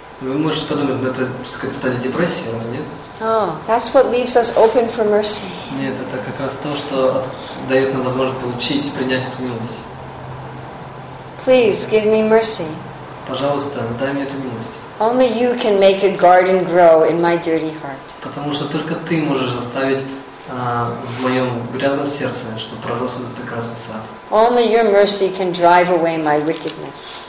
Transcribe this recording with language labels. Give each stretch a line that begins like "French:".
Russian: Вы можете подумать, это, так сказать, стадия депрессии, разве нет?
English: Oh, that's what leaves us open for mercy.
Russian: Нет, это как раз то, что дает нам возможность получить и принять эту милость.
English: Please give me mercy.
Russian: Пожалуйста, дай мне эту милость.
English: Only you can make a garden grow in my dirty heart.
Russian: Потому что только ты можешь заставить в моем грязном сердце, чтобы пророс этот прекрасный сад.
English: Only your mercy can drive away my wickedness.